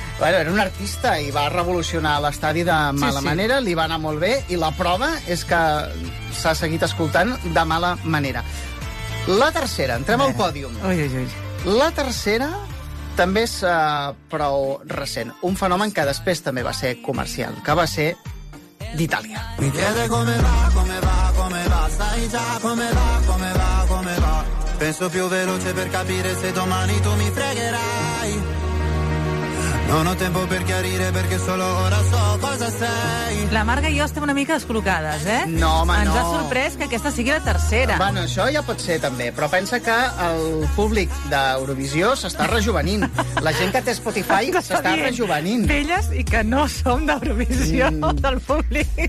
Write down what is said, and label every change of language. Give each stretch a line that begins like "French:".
Catalan: Bueno, era un artista i va revolucionar l'estadi de mala manera, li va anar molt bé, i la prova és que s'ha seguit escoltant de mala manera. La tercera, entrem al pòdium. Ui, ui, ui. La tercera també és prou recent. Un fenomen que després també va ser comercial, que va ser... d'Itàlia.
Italian: Mi chiede come va, sai già come va. Penso più veloce per capire se domani tu mi fregherai. Non ho tempo per chiarire perché solo ora so cosa sei.
Catalan: La Marga i jo estem una mica descol·locades, eh? No, home, ens no. Ens ha sorprès que aquesta sigui la tercera. Bueno, això ja pot ser, també. Però pensa que el públic d'Eurovisió s'està rejuvenint. La gent que té Spotify s'està rejuvenint. Velles i que no som d'Eurovisió, del públic.